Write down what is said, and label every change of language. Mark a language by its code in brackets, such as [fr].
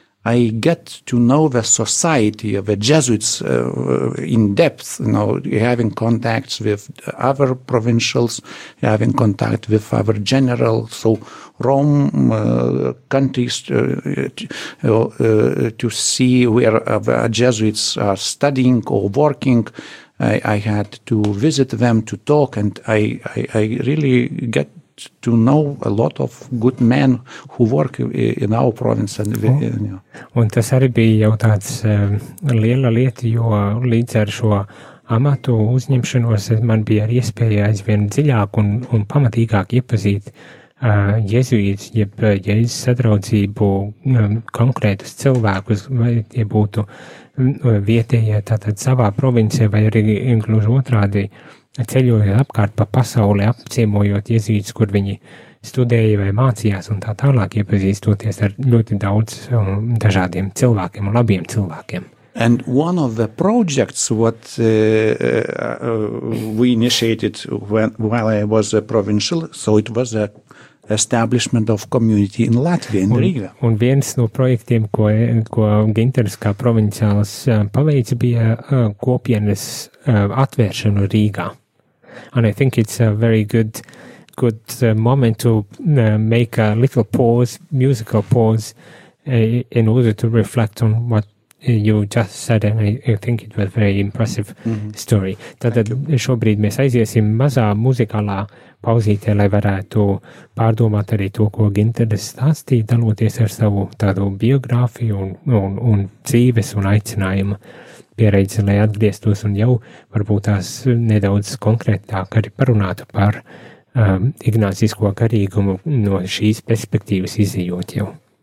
[en] I get to know the society of the Jesuits in depth, having contacts with other provincials, having contact with other generals, so Rome countries to see where Jesuits are studying or working. I had to visit them to talk, and I really get to know a lot of good men who work in our province. And, [lv] Un tas arī bija jau tāds liela lieta, jo līdz ar šo amatu uzņemšanos man bija arī iespēja aizvien dziļāk un pamatīgāk iepazīt jezuītus, jeb jezuītu sadraudzību konkrētus cilvēkus, vai tie būtu vietējie tātad savā provincē vai arī inkluži otrādi, ceļojot apkārt pa pasauli, apciemojot jezuītus, kur viņi studēja vai mācījās un tā tālāk iepazīstoties ar ļoti daudz dažādiem cilvēkiem un labiem cilvēkiem. [en] And one of the projects what we initiated while I was a provincial, so it was a establishment of community in Latvia, in Riga. [lv] Un viens no projektiem, ko Ginters kā provinciāls paveica, bija kopienas atvēršanu Rīgā. [en] And I think it's a very good moment to make a little pause, musical pause, in order to reflect on what you just said, and I think it was a very impressive story. [lv] Tātad šobrīd mēs aiziesim mazā muzikālā pauzītē, lai varētu pārdomāt arī to, ko Ginters stāstīja, daloties ar savu tādu biogrāfiju un dzīves un aicinājumu. Pieredzi, lai atgrieztos un jau varbūt tās nedaudz konkrētāk arī parunātu par ignācīsko garīgumu no šīs perspektīvas izjūt jau.